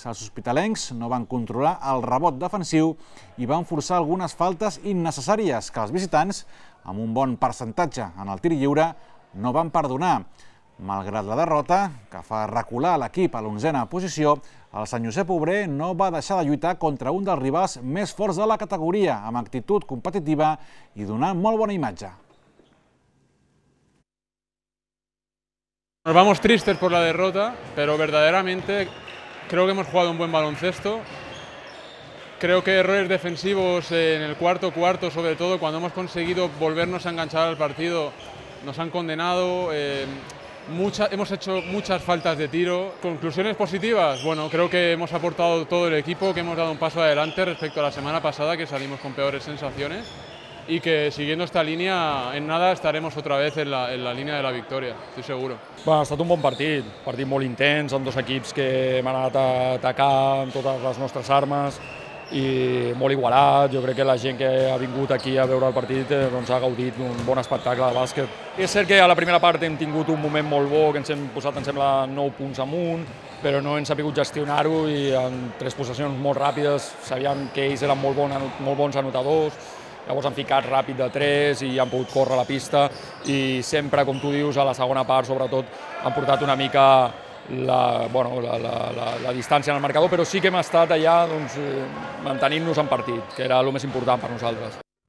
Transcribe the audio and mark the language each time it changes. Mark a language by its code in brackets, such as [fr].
[ca] Els hospitalencs no van controlar el rebot defensiu i van forçar algunes faltes innecessàries que els visitants, amb un bon percentatge en el tir lliure, no van perdonar. Malgrat la derrota, que fa recular l'equip a l'onzena posició, el Sant Josep Obrer no va deixar de lluitar contra un dels rivals més forts de la categoria, amb actitud competitiva i donant molt bona imatge. [es] Nos vamos tristes por la derrota, pero verdaderamente creo que hemos jugado un buen baloncesto. Creo que errores defensivos en el cuarto cuarto, sobre todo cuando hemos conseguido volvernos a enganchar al partido, nos han condenado. Hemos hecho muchas faltas de tiro. ¿Conclusiones positivas? Bueno, creo que hemos aportado todo el equipo, que hemos dado un paso adelante respecto a la semana pasada, que salimos con peores sensaciones, y que siguiendo esta línea, en nada estaremos otra vez en la línea de la victoria, estoy seguro. [ca] Bueno, ha estat un bon partit, molt intens, amb dos equips que hem anat a atacar amb totes les nostres armes, i molt igualat. Jo crec que la gent que ha vingut aquí a veure el partit doncs ha gaudit d'un bon espectacle de bàsquet. És cert que a la primera part hem tingut un moment molt bo, que ens hem posat, em sembla, 9 punts amunt, però no hem sabut gestionar-ho i en 3 possessions molt ràpides sabíem que ells eren molt bons anotadors, llavors han ficat ràpid de 3 i han pogut córrer la pista i sempre, com tu dius, a la segona part sobretot han portat una mica la distància en el marcador, però sí que hem estat allà doncs, mantenint-nos en partit, que era el més important per nosaltres.